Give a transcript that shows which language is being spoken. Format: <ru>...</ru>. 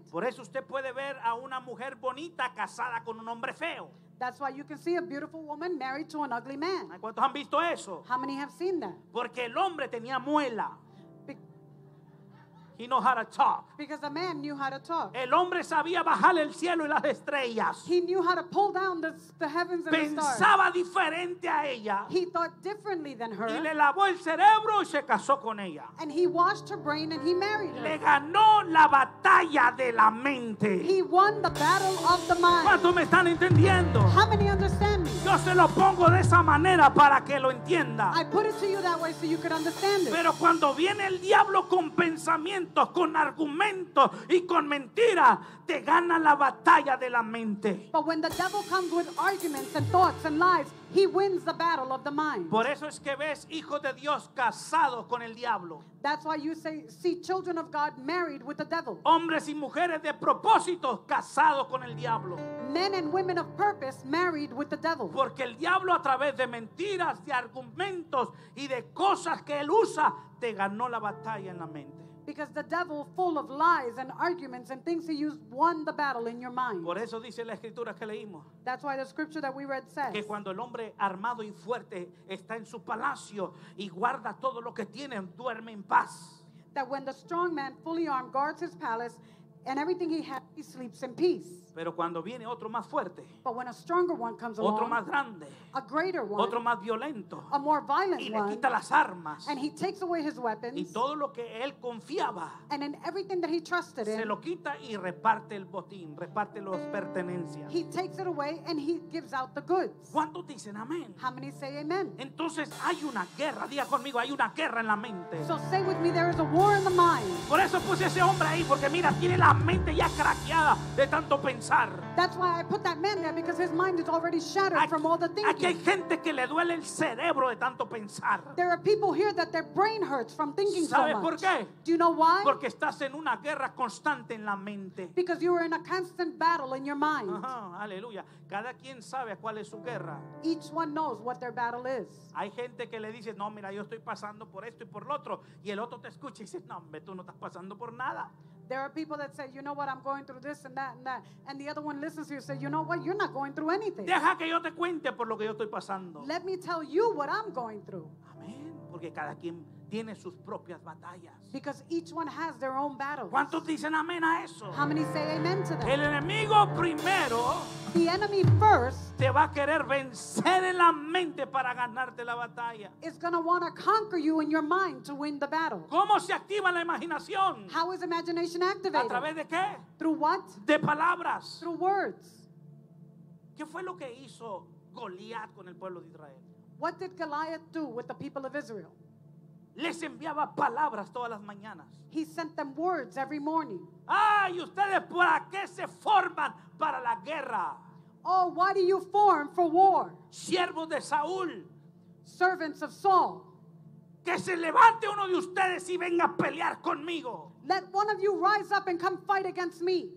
<es>Por eso usted puede ver a una mujer bonita casada con un hombre feo.</es> <en>That's why you can see a beautiful woman married to an ugly man.</en> <es>¿Cuántos han visto eso?</es> <en>How many have seen that?</en> <es>Porque el hombre tenía muela.</es> <en>He knew how to talk. Because the man knew how to talk.</en> <es>El hombre sabía bajar el cielo y las estrellas.</es> <en>He knew how to pull down the heavens and</en> <es>pensaba</es> <en>the stars.</en> <es>Pensaba diferente a ella.</es> <en>He thought differently than her.</en> <es>Y le lavó el cerebro y se casó con ella.</es> <en>And he washed her brain and he married her.</en> <es>Le ganó la batalla de la mente.</es> <en>He won the battle of the mind.</en> <es>¿Cuántos me están entendiendo?</es> <en>How many understand me?</en> <es>Yo se lo pongo de esa manera para que lo entienda.</es> <en>I put it to you that way so you could understand it.</en> <es>Pero cuando viene el diablo con pensamiento, con argumentos y con mentiras, te gana la batalla de la mente.</es> <en>But when the devil comes with arguments and thoughts and lies, he wins the battle of the mind.</en> <es>Por eso es que ves hijos de Dios casados con el diablo.</es> <en>That's why you see children of God married with the devil.</en> <es>Hombres y mujeres de propósito casados con el diablo.</es> <en>Men and women of purpose married with the devil.</en> <es>Porque el diablo a través de mentiras, de argumentos y de cosas que él usa, te ganó la batalla en la mente.</es> <en>Because the devil, full of lies and arguments and things he used, won the battle in your mind.</en> <es>Por eso dice la escritura que leímos.</es> <en>That's why the scripture that we read says.</en> <es>Que cuando el hombre armado y fuerte está en su palacio y guarda todo lo que tiene, duerme en paz.</es> <en>That when the strong man, fully armed, guards his palace and everything he has, he sleeps in peace.</en> <es>Pero cuando viene otro más fuerte,</es> <en>but when a stronger one comes along,</en> <es>otro más grande,</es> <en>a greater one,</en> <es>otro más violento,</es> <en>a more violent one,</en> <es>y le quita</es> <en>one,</en> <es>las armas,</es> <en>and he takes away his weapons,</en> <es>y todo lo que él confiaba,</es> <en>and in everything that he trusted in,</en> <es>se lo quita y reparte el botín, reparte las pertenencias.</es> <en>He takes it away and he gives out the goods.</en> <es>¿Cuántos dicen amén?</es> <en>How many say amen?</en> <es>Entonces hay una guerra, diga conmigo, hay una guerra en la mente.</es> <en>So say with me, there is a war in the mind.</en> <es>Por eso puse ese hombre ahí, porque mira, tiene la mente ya craqueada de tanto pensar.</es> <en>That's why I put that man there, because his mind is already shattered from all the thinking.</en> <es>Aquí hay gente que le duele el cerebro de tanto pensar.</es> <en>There are people here that their brain hurts from thinking so much.</en> <es>¿Sabes por qué?</es> <en>Do you know why?</en> <es>Porque estás en una guerra constante en la mente.</es> <en>Because you are in a constant battle in your mind.</en> <es>Aleluya. Cada quien sabe cuál es su guerra.</es> <en>Each one knows what their battle is.</en> <es>Hay gente que le dice, no, mira, yo estoy pasando por esto y por lo otro, y el otro te escucha y dice, no, hombre, tú no estás pasando por nada.</es> <en>There are people that say, you know what, I'm going through this and that and that. And the other one listens to you and says, you know what, you're not going through anything.</en> <es>Deja que yo te cuente por lo que yo estoy pasando.</es> <en>Let me tell you what I'm going through.</en> <es>Amén. Porque cada quien tiene sus propias batallas.</es> <en>Because each one has their own battles.</en> <es>¿Cuántos dicen amén a eso?</es> <en>How many say amen to that?</en> <es>El enemigo primero,</es> <en>the enemy first,</en> <es>te va a querer vencer en la mente para ganarte la batalla.</es> <en>Is going to want to conquer you in your mind to win the battle.</en> <es>¿Cómo se activa la imaginación?</es> <en>How is imagination activated?</en> <es>¿A través de qué?</es> <en>Through what?</en> <es>De palabras.</es> <en>Through words.</en> <es>¿Qué fue lo que hizo Goliat con el pueblo de Israel?</es> <en>What did Goliath do with the people of Israel?</en> <es>Les enviaba palabras todas las mañanas.</es> <en>He sent them words every morning.</en> <es>Ay, ustedes, ¿para qué se forman para la guerra?</es> <en>Oh, why do you form for war?</en> <es>Siervos de Saúl.</es> <en>Servants of Saul.</en> <es>Que se levante uno de ustedes y venga a pelear conmigo.</es> <en>Let one of you rise up and come fight against me.</en>